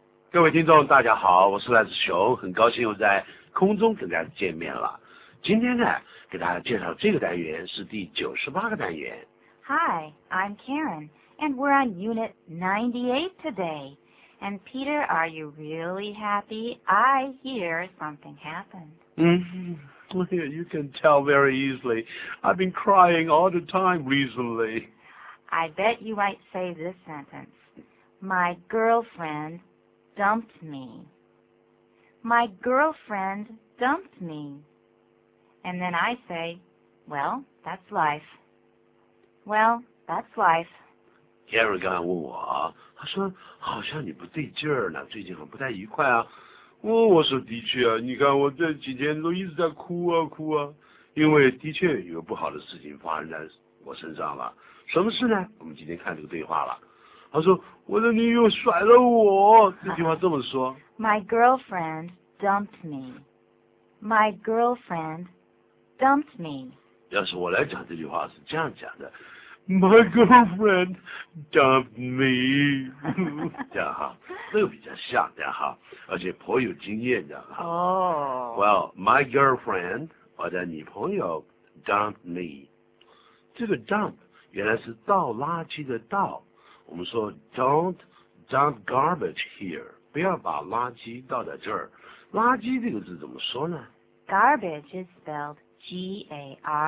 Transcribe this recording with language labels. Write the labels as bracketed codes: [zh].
[zh] 各位听众，大家好，我是赖子雄，很高兴又在空中跟大家见面了。今天呢，给大家介绍这个单元是第98个单元。 [en] Hi, I'm Karen, and we're on Unit 98 today. And Peter, are you really happy? I hear something happened. You can tell very easily. I've been crying all the time recently. I bet you might say this sentence. My girlfriend... dumped me. My girlfriend dumped me. And then I say, well, that's life. Well, that's life. [zh] Karen 刚才问我啊，她说好像你不对劲儿呢，最近很不太愉快啊。我说的确啊，你看我这几天都一直在哭啊哭啊，因为的确有不好的事情发生在我身上了。什么事呢？我们今天看这个对话了。他说我的女友甩了我，这句话这么说。 [en] My girlfriend dumped me. My girlfriend dumped me. [zh] 要是我来讲这句话是这样讲的。 [en] My girlfriend dumped me. [zh] 这样哈，这个比较像，这样哈，而且颇有经验，这样哈。 Oh. [en] Well, my girlfriend, [zh] 我的女朋友 [en] dumped me. [zh] 这个 dump 原来是倒垃圾的倒。我们说 [en] don't dump garbage here, [zh] 不要把垃圾倒在这儿。垃圾这个字怎么说呢？ [en] Garbage is spelled G-A-R-B-A-G-E.